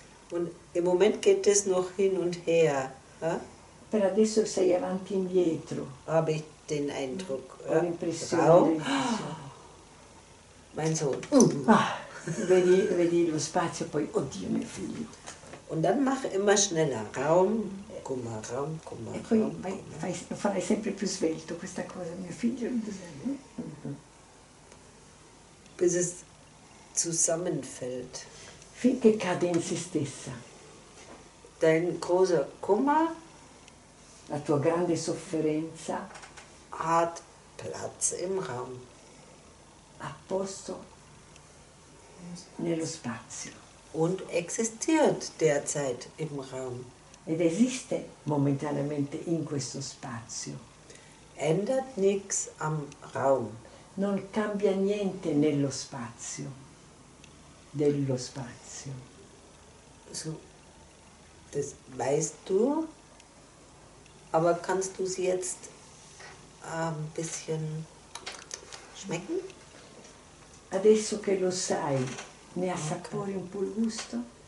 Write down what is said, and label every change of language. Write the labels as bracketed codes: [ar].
[de] Und im Moment geht es noch hin und her. Eh? [it] Per adesso sei avanti e indietro. [de] Habe ich den Eindruck. [it] Ho l'impressione. [de] Mein Sohn. [it] Vedi lo spazio, poi, oddio mio figlio. [de] Und dann mach immer schneller. Raum, Kumma, Raum, Kumma, Raum. [it] E poi lo farai sempre più svelto questa cosa, mio figlio. [de] Bis es zusammenfällt. [it] Finché cade in se stessa. [de] Dein großer Kummer, [it] la tua grande sofferenza, [de] hat Platz im Raum. [it] A posto, nello spazio. [de] Und existiert derzeit im Raum. [it] Ed esiste momentaneamente in questo spazio. [de] Ändert nichts am Raum. [it] Non cambia niente nello spazio. Dello spazio. [de] So, das weißt du, aber kannst du es jetzt ein bisschen schmecken? [it] Adesso che lo sai. Ne assapori un po' il gusto?